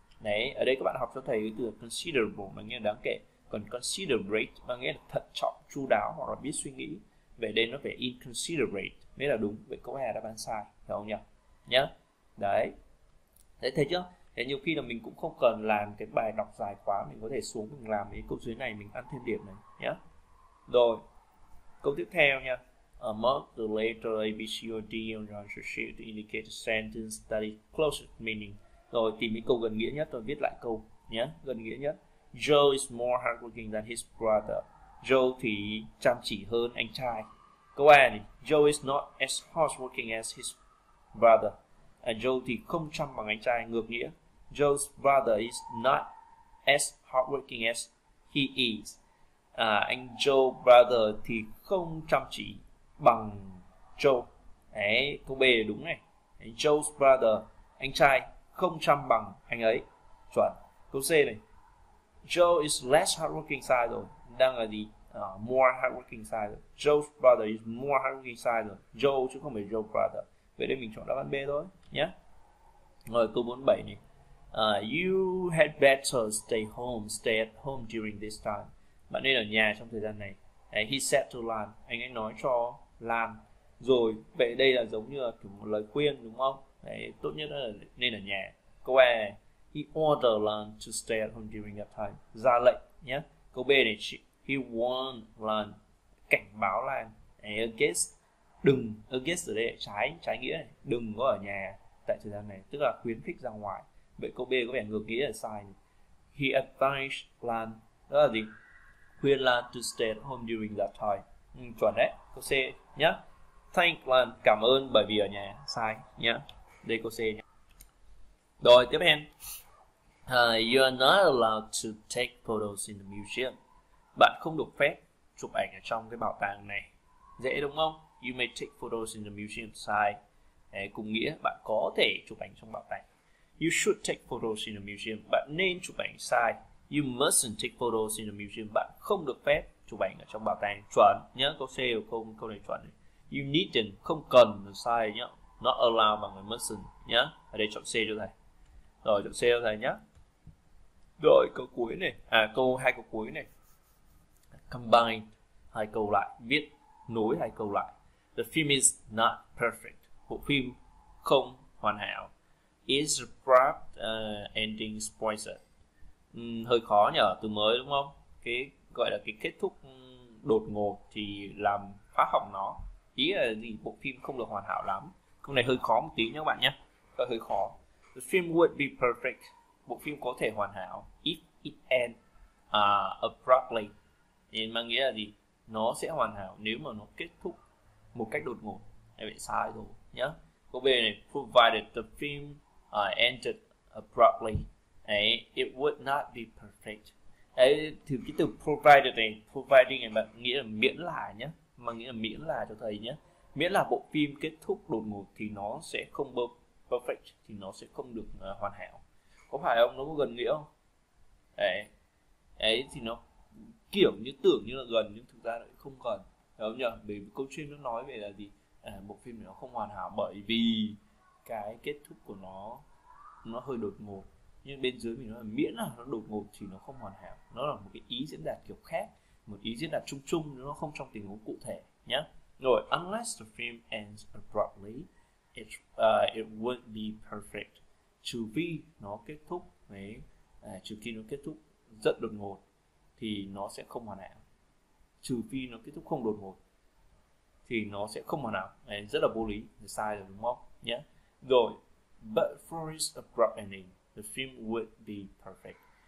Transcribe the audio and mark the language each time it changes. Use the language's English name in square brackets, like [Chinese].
[Vietnamese] Đấy, ở đây các bạn học cho thầy cái từ considerable mà nghĩa là đáng kể, còn considerate mà nghĩa là thận trọng, chu đáo hoặc là biết suy nghĩ. Vậy đây nó phải inconsiderate mới là đúng. Vậy câu A đáp án sai, hiểu không nhỉ? Nhá. Đấy. Đấy, thấy chưa? Thế nhiều khi là mình cũng không cần làm cái bài đọc dài quá, mình có thể xuống mình làm cái câu dưới này, mình ăn thêm điểm này nhá. Rồi. Câu tiếp theo nha. [English] Mark the letter A, B, C, or D on your sheet to indicate a sentence that is closest meaning. [Vietnamese] Rồi tìm cái câu gần nghĩa nhất, tôi viết lại câu nhé, gần nghĩa nhất. [English] Joe is more hardworking than his brother. [Vietnamese] Joe thì chăm chỉ hơn anh trai. Câu A này, [English] Joe is not as hardworking as his brother. [Vietnamese] Joe thì không chăm bằng anh trai, ngược nghĩa. [English] Joe's brother is not as hardworking as he is. [Vietnamese] Anh Joe brother thì không chăm chỉ bằng Joe. Đấy, câu B là đúng này. Joe's brother, anh trai không chăm bằng anh ấy, chuẩn. Câu C này, [English] Joe is less hardworking, [Vietnamese] sai rồi. Đang là gì? [English] More hardworking, [Vietnamese] sai rồi. [English] Joe's brother is more hardworking, sai rồi. [Vietnamese] Joe chứ không phải Joe brother. Vậy nên mình chọn đáp án B thôi nhé. Rồi câu 47 này, [English] you had better stay at home during this time. [Vietnamese] Bạn nên ở nhà trong thời gian này. [English] He said to Lan, [Vietnamese] anh ấy nói cho Lan. Rồi vậy đây là giống như là kiểu một lời khuyên đúng không? Đấy, tốt nhất là nên ở nhà. Câu A này, [English] he ordered Lan to stay at home during that time, [Vietnamese] ra lệnh nhé. Câu B này, [English] he warned Lan, [Vietnamese] cảnh báo Lan. Against, đừng, against ở đây trái trái nghĩa này, đừng có ở nhà tại thời gian này, tức là khuyến khích ra ngoài. Vậy câu B có vẻ ngược nghĩa là sai. [English] He advised Lan, [Vietnamese] đó là gì? [English] Khuyên Lan to stay at home during that time. [Vietnamese] Chuẩn đấy, câu C nhá. Thank Lan, cảm ơn bởi vì ở nhà, sai nhá. Đây câu C nhá. Rồi tiếp em. [English] You are not allowed to take photos in the museum. [Vietnamese] Bạn không được phép chụp ảnh ở trong cái bảo tàng này. Dễ đúng không? [English] You may take photos in the museum, sai. [Vietnamese] Đấy, cùng nghĩa, bạn có thể chụp ảnh trong bảo tàng. [English] You should take photos in the museum, [Vietnamese] bạn nên chụp ảnh, sai. [English] You mustn't take photos in the museum, [Vietnamese] bạn không được phép chụp ảnh ở trong bảo tàng, chuẩn nhớ. Câu C của câu này chuẩn này. [English] You needn't, [Vietnamese] không cần là sai nhá. Not allowed bằng người mustn't nhá. Ở đây chọn C cho thầy. Rồi chọn C cho thầy nhá. Rồi câu cuối này, câu hai câu cuối này. Combine hai câu lại, viết nối hai câu lại. [English] The film is not perfect. [Vietnamese] Bộ phim không hoàn hảo. [English] It's abrupt ending spoiler. [Vietnamese] Hơi khó nhở, từ mới đúng không? Cái gọi là cái kết thúc đột ngột thì làm phá hỏng nó. ý là gì, bộ phim không được hoàn hảo lắm. Câu này hơi khó một tí nha các bạn nhé, câu hơi khó. [English] The film would be perfect, [Vietnamese] bộ phim có thể hoàn hảo, [English] if it end abruptly, [Vietnamese] nên mang nghĩa là gì, nó sẽ hoàn hảo nếu mà nó kết thúc một cách đột ngột. Em bị sai rồi nhá. Câu B này, [English] provided the film ended abruptly, đấy, it would not be perfect. [Vietnamese] Đấy, thì cái từ provided này, providing này bạn nghĩa là miễn là nhé, mà nghĩa là miễn là cho thầy nhé. Miễn là bộ phim kết thúc đột ngột thì nó sẽ không perfect, thì nó sẽ không được hoàn hảo. Có phải không? Nó có gần nghĩa không? Đấy. Đấy thì nó kiểu như tưởng như là gần nhưng thực ra lại không gần. Đúng không nhỉ? Bởi vì câu chuyện nó nói về là gì? À, bộ phim này nó không hoàn hảo bởi vì cái kết thúc của nó hơi đột ngột. Nhưng bên dưới mình nói là miễn là nó đột ngột thì nó không hoàn hảo. Nó là một cái ý diễn đạt kiểu khác, một ý diễn đạt chung chung, nó không trong tình huống cụ thể nhé. [English] Rồi, unless the film ends abruptly, it won't be perfect. [Vietnamese] Trừ khi nó kết thúc, đấy, trừ khi nó kết thúc rất đột ngột thì nó sẽ không hoàn hảo. Trừ phi nó kết thúc không đột ngột thì nó sẽ không hoàn hảo. Đấy, rất là vô lý, sai rồi đúng không nhé. [English] Rồi, but for its abrupt ending, the film would be perfect.